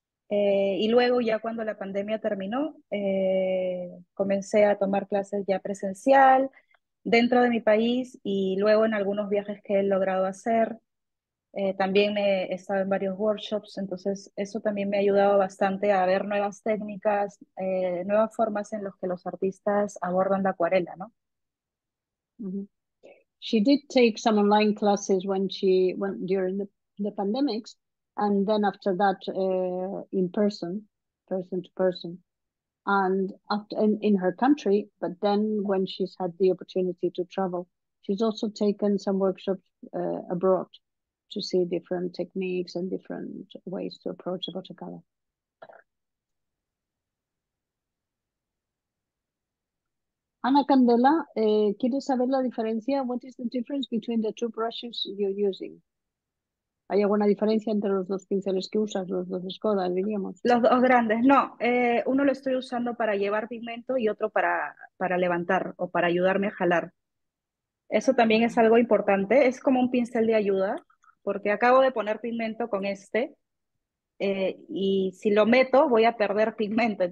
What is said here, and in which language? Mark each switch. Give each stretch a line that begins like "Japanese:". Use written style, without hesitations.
Spanish: Y luego, ya cuando la pandemia terminó, comencé a tomar clases ya presencial dentro de mi país y luego en algunos viajes que he logrado hacer. También he estado en varios workshops, entonces eso también me ha ayudado bastante a ver nuevas técnicas, nuevas formas en las que los artistas abordan la acuarela, ¿no?
English: She did take some online classes when she went during the pandemics, and then after that in person to person, and after in her country. But then when she's had the opportunity to travel, she's also taken some workshops abroad to see different techniques and different ways to approach a watercolor. Ana Candela,
Spanish: ¿quieres saber la diferencia?
English: What is the difference between the two brushes you're using?
Spanish: ¿Hay alguna diferencia entre los dos pinceles que usas, los dos escodas, diríamos? Los dos grandes, no. Uno lo estoy usando para llevar pigmento y otro para levantar o para ayudarme a jalar. Eso también es algo importante. Es como un pincel de ayuda, porque acabo de poner pigmento con este y si lo meto voy a perder pigmento.